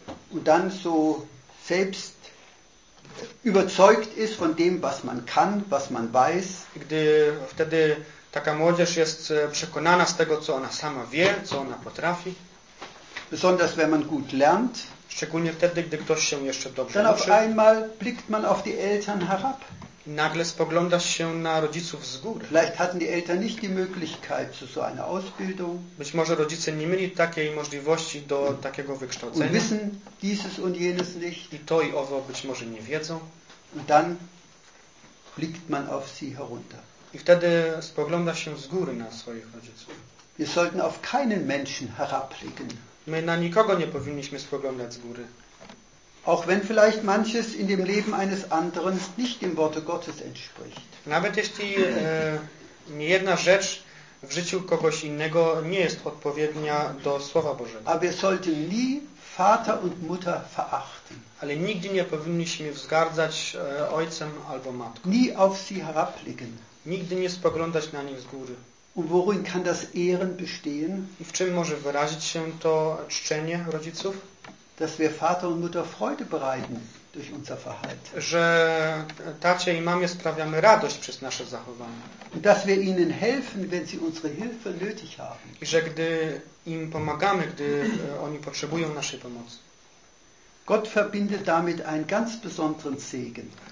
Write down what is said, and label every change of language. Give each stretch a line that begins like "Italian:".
German: und dann so selbst überzeugt ist von dem, was man kann, was man weiß.
Polish: Gdy wtedy taka młodzież jest przekonana z tego, co ona sama wie, co ona potrafi.
German: Besonders wenn man gut lernt.
Polish: Szczególnie wtedy, gdy ktoś się jeszcze dobrze
German: dann
Polish: uczy.
German: Auf einmal blickt man auf die Eltern herab.
Polish: Nagle spogląda się na rodziców z góry.
German: Vielleicht hatten die Eltern nicht die Möglichkeit zu so einer Ausbildung.
Polish: Być może rodzice nie mieli takiej możliwości do takiego wykształcenia.
German: Und wissen dieses und jenes nicht.
Polish: I to i owo być może nie wiedzą.
German: Und dann blickt man auf sie herunter.
Polish: I wtedy spogląda się z góry na swoich rodziców.
German: Wir sollten auf keinen Menschen herabblicken.
Polish: My na nikogo nie powinniśmy spoglądać z góry.
German: Auch wenn vielleicht manches in dem Leben eines anderen nicht dem Worte Gottes entspricht.
Polish: Nawet jeśli nie jedna rzecz w życiu kogoś innego nie jest odpowiednia do Słowa Bożego.
German: Aber wir sollten nie Vater und Mutter verachten.
Polish: A Ale nigdy nie powinniśmy wzgardzać ojcem albo matką.
German: Nie auf sie herabblicken.
Polish: Nigdy nie spoglądać na nich z góry.
German: Und worin kann das Ehren bestehen?
Polish: I w czym może wyrazić się to czczenie rodziców?
German: Dass wir Vater und Mutter Freude bereiten durch unser Verhalten.
Polish: Że tacie i mamie sprawiamy radość przez nasze zachowanie.
German: Und dass wir ihnen helfen, wenn sie unsere Hilfe nötig haben.
Polish: I że gdy im pomagamy, gdy oni potrzebują naszej pomocy.
German: Gott verbindet damit einen ganz besonderen Segen.